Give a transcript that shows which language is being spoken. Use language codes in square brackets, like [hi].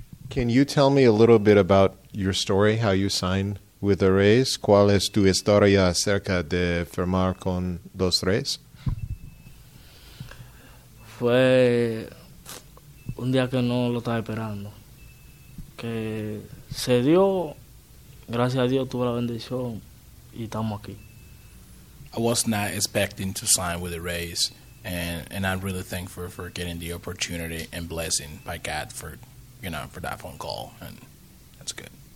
[en] Can you tell me a little bit about your story, how you signed with the Rays? [es] ¿Cuál es tu historia acerca de firmar con los Rays? Fue un día que no lo estaba esperando. Que se dio, gracias a Dios tuve la bendición y estamos aquí. [en] I was not expecting to sign with the Rays, and I'm really thankful for getting the opportunity and blessing by God for, you know, for that phone call, and that's good.